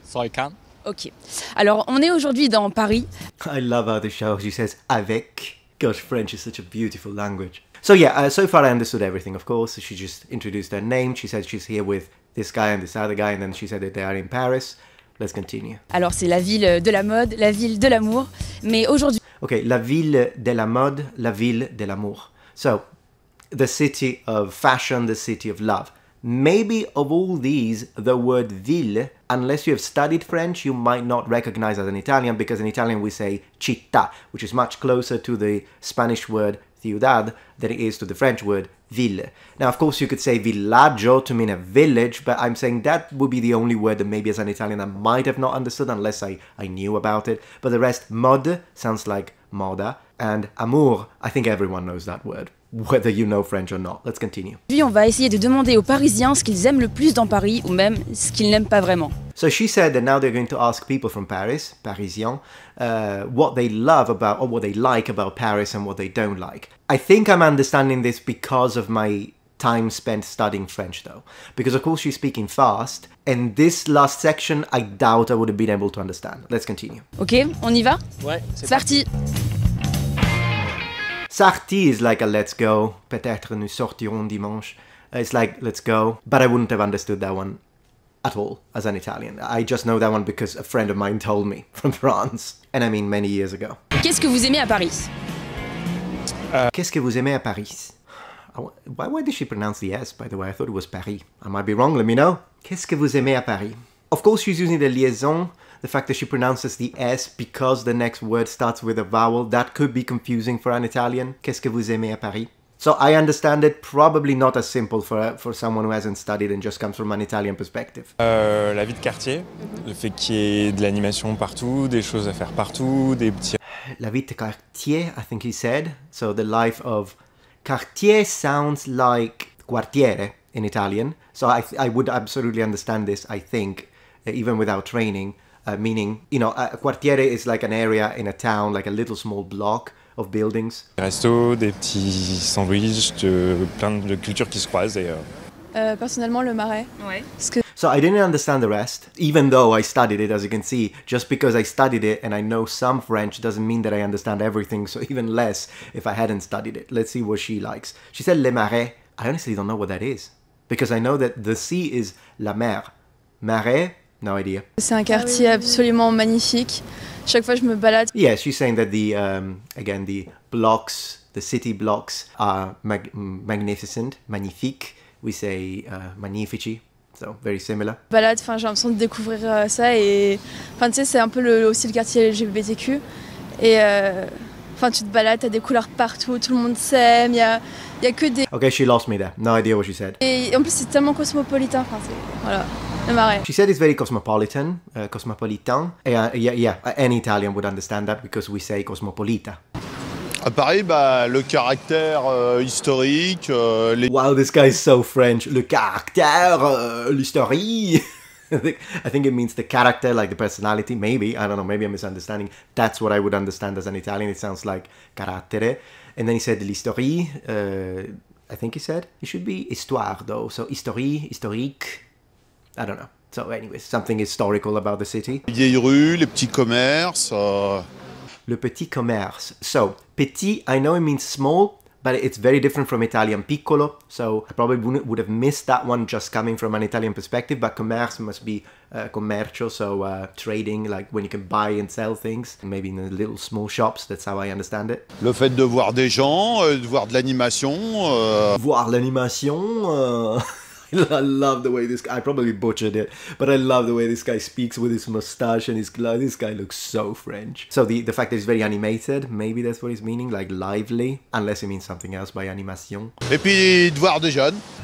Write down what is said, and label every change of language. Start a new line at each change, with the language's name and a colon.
French: Soykan. Ok, alors on est aujourd'hui dans Paris.
English: I love how the show she says avec. Gosh, French is such a beautiful language. So yeah, so far I understood everything, of course. She just introduced her name. She said she's here with this guy and this other guy. And then she said that they are in Paris. Let's continue.
French: Alors c'est la ville de la mode, la ville de l'amour. Mais aujourd'hui... Ok, la ville de la mode, la ville de l'amour.
English: So, the city of fashion, the city of love. Maybe of all these, the word ville, unless you have studied French, you might not recognize as an Italian, because in Italian we say città, which is much closer to the Spanish word ciudad than it is to the French word ville. Now, of course, you could say villaggio to mean a village, but I'm saying that would be the only word that maybe as an Italian I might have not understood unless I knew about it. But the rest, mode sounds like moda, and amour, I think everyone knows that word. Whether you know French or not. Let's continue.
French: Puis on va essayer de demander aux Parisiens ce qu'ils aiment le plus dans Paris, ou même ce qu'ils n'aiment pas vraiment.
English: So she said that now they're going to ask people from Paris, Parisiens, what they love about, or what they like about Paris and what they don't like. I think I'm understanding this because of my time spent studying French though. Because of course she's speaking fast, and this last section I doubt I would have been able to understand. Let's continue.
French: Ok, on y va? Ouais, c'est parti!
English: Sarti is like a let's go,
French: peut-être nous sortirons dimanche.
English: It's like, let's go, but I wouldn't have understood that one at all as an Italian. I just know that one because a friend of mine told me from France, and I mean many years ago.
French: Qu'est-ce que vous aimez à Paris? Qu'est-ce que vous aimez à Paris?
English: Why did she pronounce the S, by the way? I thought it was Paris. I might be wrong, let me know.
French: Qu'est-ce que vous aimez à Paris?
English: Of course she's using the liaison. The fact that she pronounces the S because the next word starts with a vowel, that could be confusing for an Italian.
French: Qu'est-ce que vous aimez à Paris?
English: So I understand it, probably not as simple for someone who hasn't studied and just comes from an Italian perspective.
French: La vie de quartier, le fait qu'il y ait de l'animation partout, des choses à faire partout, des petits... La vie de quartier,
English: I think he said. So the life of... Quartier sounds like quartiere in Italian. So I would absolutely understand this, I think, even without training. Meaning, you know, a quartiere is like an area in a town, like a little small block of buildings.
French: Resto, des petits sandwichs, plein de cultures qui se croisent d'ailleurs. Personnellement, le marais. Ouais.
English: So I didn't understand the rest, even though I studied it, as you can see. Just because I studied it and I know some French doesn't mean that I understand everything, so even less if I hadn't studied it. Let's see what she likes. She said le marais. I honestly don't know what that is, because I know that the sea is la mer. Marais. No idea.
French: C'est un quartier absolument magnifique. Chaque fois je me balade.
English: Yeah, she's saying that the blocks, the city blocks are magnificent, magnifique. We say magnifici. So, very similar.
French: Balade, enfin j'ai l'impression de découvrir ça et enfin tu sais c'est un peu aussi le quartier LGBTQ et Enfin, tu te balades, t'as des couleurs partout, tout le monde s'aime, y a que des...
English: Ok, she lost me there. No idea what she said.
French: Et en plus, c'est tellement cosmopolitain, enfin, c'est... Voilà.
English: She said it's very cosmopolitan, cosmopolitan. Et, yeah, any Italian would understand that because we say cosmopolita.
French: À Paris, bah, le caractère historique...
English: les... Wow, this guy is so French.
French: Le caractère, l'histoire...
English: I think it means the character, like the personality, maybe. I don't know, maybe I'm misunderstanding. That's what I would understand as an Italian. It sounds like carattere. And then he said l'histoire, I think he said. It should be histoire, though. So histoire, historique... I don't know. So anyways, something historical about the city.
French: Les vieilles rues, les petits commerces. Le petit commerce.
English: So, petit, I know it means small, but it's very different from Italian piccolo. So I probably would have missed that one just coming from an Italian perspective, but commerce must be commercio, so trading, like when you can buy and sell things, maybe in the little small shops, that's how I understand it.
French: Le fait de voir des gens, de voir de l'animation. Voir l'animation.
English: I love the way this guy, I probably butchered it, but I love the way this guy speaks with his mustache and his gloves. This guy looks so French. So the fact that he's very animated, maybe that's what he's meaning, like lively, unless he means something else by animation.
French: Et puis, de voir des jeunes.